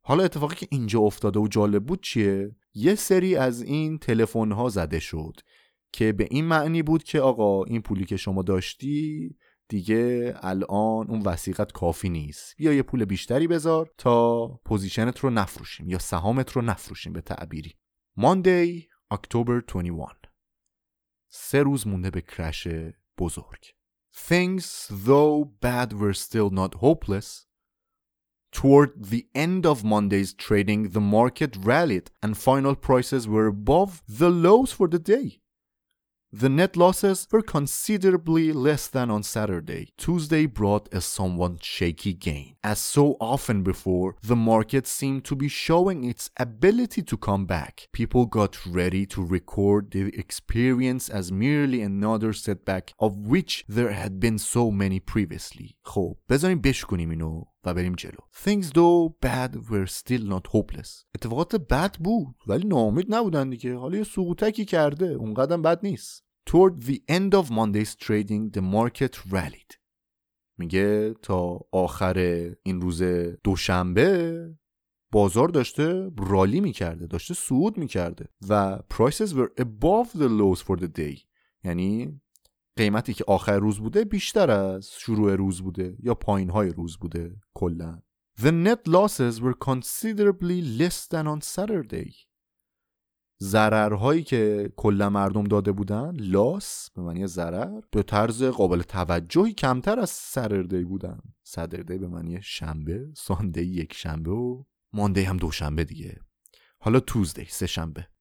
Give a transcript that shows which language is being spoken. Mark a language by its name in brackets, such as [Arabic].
[Persian] حالا اتفاقی که اینجا افتاده و جالب بود چیه؟ یه سری از این تلفن ها زده شد که به این معنی بود که آقا این پولی که شما داشتی دیگه الان اون وثیقت کافی نیست، بیا یه پول بیشتری بذار تا پوزیشنت رو نفروشیم یا سهامت رو نفروشیم به تعبیری. [English] Monday October 21، [Persian] سه روز مونده به کرش بزرگ. [English] Things though bad were still not hopeless. Toward the end of Monday's trading the market rallied and final prices were above the lows for the day. The net losses were considerably less than on Saturday. Tuesday brought a somewhat shaky gain. As so often before, the market seemed to be showing its ability to come back. People got ready to record the experience as merely another setback of which there had been so many previously. [Persian] خب بذاریم بشکنیم اینو و بریم جلو. [English] Things though bad were still not hopeless. [Persian] اتفاقات بد بود ولی ناامید نبودن دیگه. حالا یه سقوطکی کرده، اونقدر بد نیست. [English] Toward the end of Monday's trading the market rallied. [Persian] میگه تا آخر این روز دوشنبه بازار داشته رالی میکرده، داشته صعود میکرده. [English] و prices were above the lows for the day. [Persian] یعنی قیمتی که آخر روز بوده بیشتر از شروع روز بوده یا پایین‌های روز بوده کلاً. [English] The net losses were considerably less than on Saturday. [Persian] ضررهایی که کلا مردم داده بودن، لاس به معنی ضرر، به طرز قابل توجهی کمتر از سردی بودن. سردی به معنی شنبه، ساندی یک شنبه و ماندی هم دوشنبه دیگه. حالا توزدی سه شنبه.